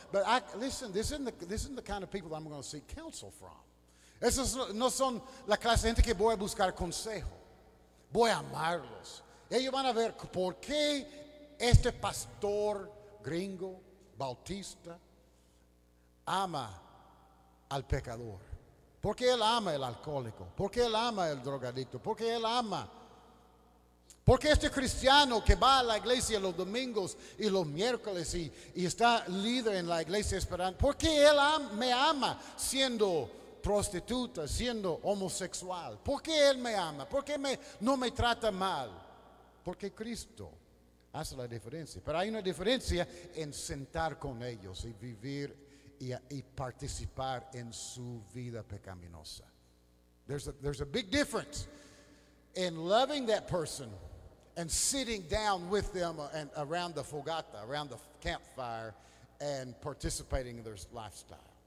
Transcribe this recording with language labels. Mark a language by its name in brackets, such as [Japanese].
[English] But this isn't the kind of people that I'm going to seek counsel from. [Spanish] Esos no son la clase de gente que voy a buscar consejo. Voy a amarlos. Ellos van a ver por qué este pastor gringo Bautista ama al pecador. ¿Por qué él ama el alcohólico? ¿Por qué él ama el drogadicto? ¿Por qué él ama? ¿Por qué este cristiano que va a la iglesia los domingos y los miércoles y está líder en la iglesia esperando? ¿Por qué él me ama siendo prostituta, siendo homosexual? ¿Por qué él me ama? ¿Por qué no me trata mal? Porque Cristo hace la diferencia. Pero hay una diferencia en sentar con ellos y vivir y participar en su vida pecaminosa. [English] There's a big difference in loving that person and sitting down with them and around the fogata, around the campfire, and participating in their lifestyle.